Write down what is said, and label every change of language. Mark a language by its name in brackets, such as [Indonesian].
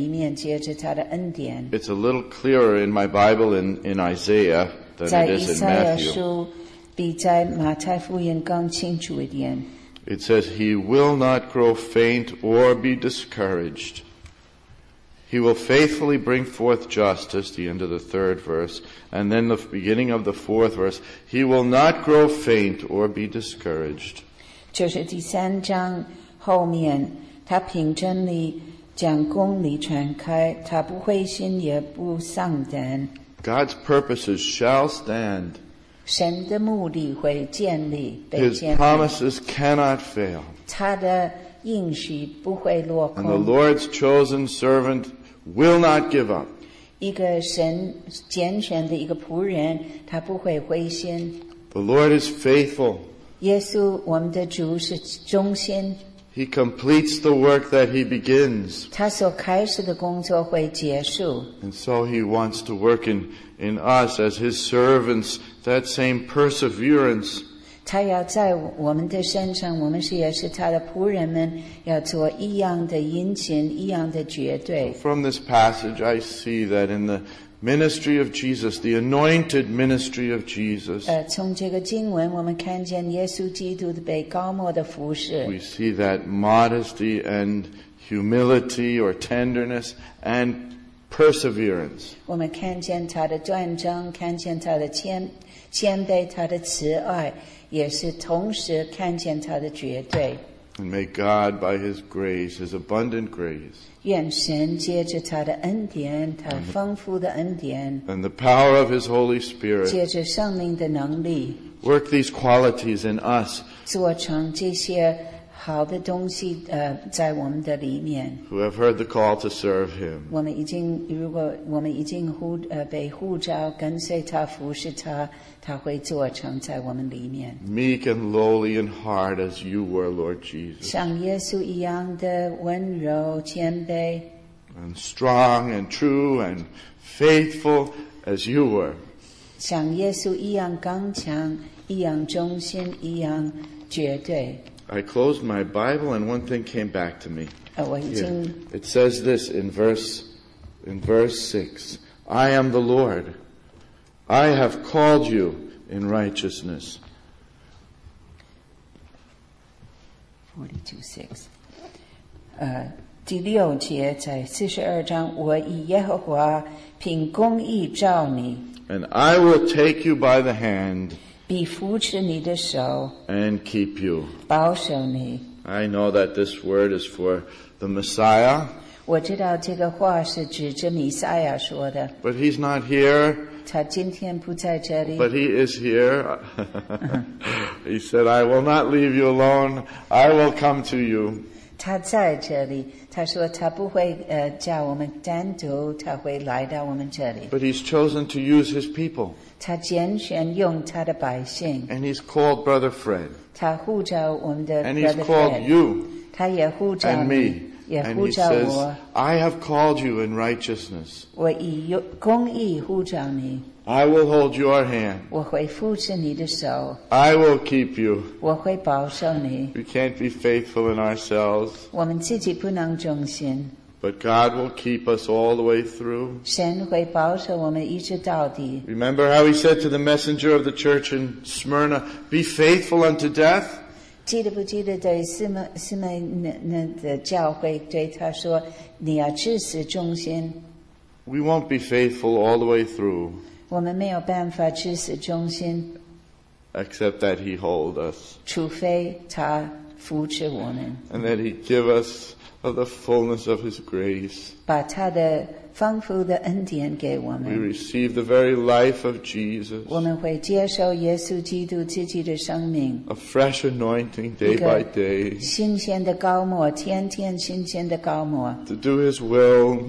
[Chinese] 神的灵可以做成在我们的里面，接着他的恩典。 [English] It's a little clearer in my Bible in Isaiah than it is in Matthew. [Chinese] 在以赛亚书比在马太福音更清楚一点。 [English] It says, "He will not grow faint or be discouraged. He will faithfully bring forth justice," the end of the third verse, and then the beginning of the fourth verse, "He will not grow faint or be discouraged." [Chinese] 就是第三章后面，他凭真理将公理传开，他不灰心也不丧胆。 [English] God's purposes shall stand. [Chinese] 神的目的会建立, [English] His promises cannot fail. [Chinese] 他的应许不会落空, [English] and the Lord's chosen servant will not give up. [Chinese] 一个神拣选的一个仆人, 他不会灰心。 [English] The Lord is faithful. [Chinese] 耶稣, 我们的主是忠心。 [English] He completes the work that he begins. [Chinese] 他所开始的工作会结束。 [English] And so he wants to work in us as his servants, that same perseverance. [Chinese] 他要在我们的身上，我们是也是他的仆人们，要做一样的殷勤，一样的绝对。 [English] From this passage, I see that in the ministry of Jesus, the anointed ministry of Jesus, [Chinese] 从这个经文，我们看见耶稣基督的被高摩的服事。 [English] We see that modesty and humility or tenderness and perseverance. [Chinese] 我们看见他的端正，看见他的谦。谦卑他的慈爱，也是同时看见他的绝对。 [English] And may God, by His grace, His abundant grace, [Chinese] 愿神借着他的恩典，他丰富的恩典， [English] and the power of His Holy Spirit, [Chinese] 借着圣灵的能力， [English] work these qualities in us, [Chinese] 做成这些好的东西，在我们的里面。 [English] Who have heard the call to serve Him? [Chinese] 我们已经，如果我们已经呼，被呼召跟随他服侍他，他会做成在我们里面。 [English] Meek and lowly in heart as you were, Lord Jesus. [Chinese] 像耶稣一样的温柔谦卑。 [English] And strong and true and faithful as you were. [Chinese] 像耶稣一样刚强，一样忠心，一样绝对。 [English] I closed my Bible and one thing came back to me. It says this in verse 6. I am the Lord. I have called you in righteousness. 42:6. [Chinese] 第六节在42章，我以耶和华凭公义召你。 [English] And I will take you by the hand. [Chinese] 必扶持你的手 [English] and keep you. [Chinese] 保守你。 [English] I know that this word is for the Messiah. [Chinese] 我知道这个话是指着弥赛亚说的。 [English] But he's not here. [Chinese] 他今天不在这里。 [English] But he is here. He said, I will not leave you alone. I will come to you. [Chinese] 他在这里。他说他不会叫我们单独，他会来到我们这里。 [English] But he's chosen to use his people. [Chinese] 他拣选用他的百姓。 [English] And he's called Brother Fred. [Chinese] 他呼召我们的 Brother Fred. [English] And he's called you. [Chinese] 他也呼召你。 [English] And me. [Chinese] 也呼召我。 [English] And he says, I have called you in righteousness. [Chinese] 我以公义呼召你。 [English] I will hold your hand. [Chinese] 我会扶持你的手。 [English] I will keep you. [Chinese] 我会保守你。 [English] We can't be faithful in ourselves. [Chinese] 我们自己不能忠心。 [English] But God will keep us all the way through. [Chinese] 神会保守我们一直到底。 [English] Remember how he said to the messenger of the church in Smyrna, be faithful unto death? [Chinese] 记得不记得对斯美那的教会对他说，你要至死忠心。 [English] We won't be faithful all the way through. [Chinese] 我们没有办法至死忠心。 [English] Except that he hold us. [Chinese] 除非他扶持我们。 [English] And that he give us of the fullness of His grace. [Chinese] 把他的丰富的恩典给我们。 [English] We receive the very life of Jesus. [Chinese] 我们会接受耶稣基督自己的生命。 [English] A fresh anointing day by day. [Chinese] 新鲜的膏抹，天天新鲜的膏抹。 [English] To do His will.